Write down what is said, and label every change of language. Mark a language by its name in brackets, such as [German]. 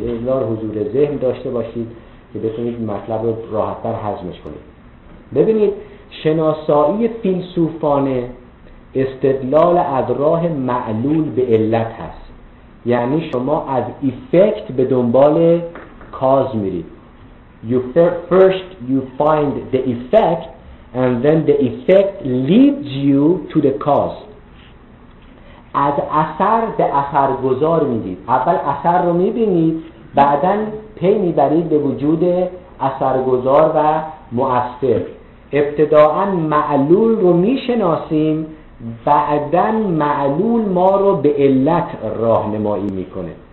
[Persian] انگار حضور ذهن داشته باشید که بتونید مطلب رو راحت‌تر هضمش کنید. ببینید شناسایی فیلسوفانه استدلال از راه معلول به علت هست. یعنی شما از افکت به دنبال کاز میرید. [English] First you find the effect and then the effect leads you to the cause. [Persian] از اثر به اثرگذار میرید. اول اثر رو میبینید، بعدن پی میبرید به وجود اثرگذار و مؤثر. ابتداعاً معلول رو میشناسیم، بعدن معلول ما رو به علت راهنمایی میکنه.